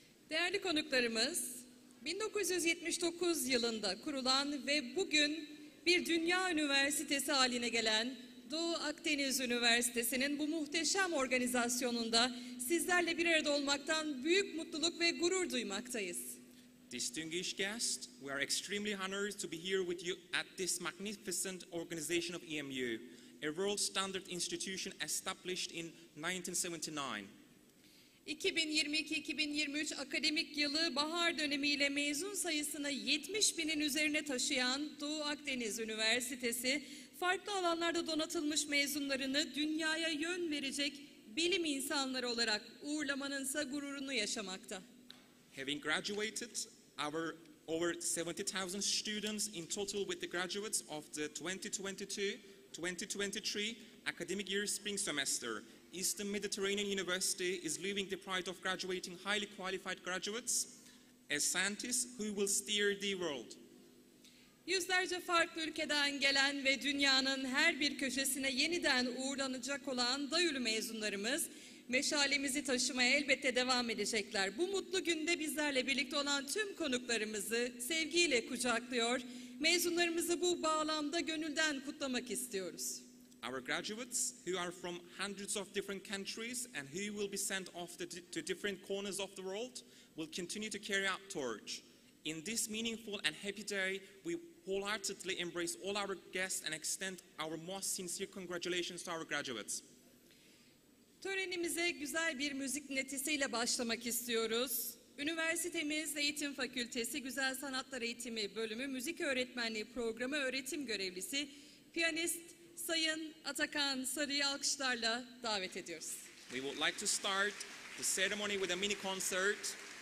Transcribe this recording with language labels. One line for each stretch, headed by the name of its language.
Turkish: Değerli konuklarımız, 1979 yılında kurulan ve bugün bir dünya üniversitesi haline gelen Doğu Akdeniz Üniversitesi'nin bu muhteşem organizasyonunda sizlerle bir arada olmaktan büyük mutluluk ve gurur duymaktayız.
English: Distinguished guests, we are extremely honored to be here with you at this magnificent organization of EMU, a world standard institution established in 1979.
Turkish: 2022-2023 akademik yılı bahar dönemiyle mezun sayısını 70 binin üzerine taşıyan Doğu Akdeniz Üniversitesi, farklı alanlarda donatılmış mezunlarını dünyaya yön verecek bilim insanları olarak uğurlamanınsa gururunu yaşamakta.
English: Having graduated our over 70,000 students in total with the graduates of the 2022-2023 academic year spring semester, Eastern Mediterranean University is living the pride of graduating highly qualified graduates as scientists who will steer the world.
Turkish: Yüzlerce farklı ülkeden gelen ve dünyanın her bir köşesine yeniden uğurlanacak olan DAYÜL mezunlarımız, meşalemizi taşımaya elbette devam edecekler. Bu mutlu günde bizlerle birlikte olan tüm konuklarımızı sevgiyle kucaklıyor, mezunlarımızı bu bağlamda gönülden kutlamak istiyoruz.
English: Our graduates, who are from hundreds of different countries and who will be sent off to different corners of the world, will continue to carry out torch. In this meaningful and happy day, we wholeheartedly embrace all our guests and extend our most sincere congratulations to our graduates.
Turkish: Törenimize güzel bir müzik netisiyle başlamak istiyoruz. Üniversitemiz Eğitim Fakültesi Güzel Sanatlar Eğitimi Bölümü Müzik Öğretmenliği Programı Öğretim Görevlisi Piyanist Sayın Atakan Sarı'yı alkışlarla davet ediyoruz.
English: We would like to start the ceremony with a mini concert.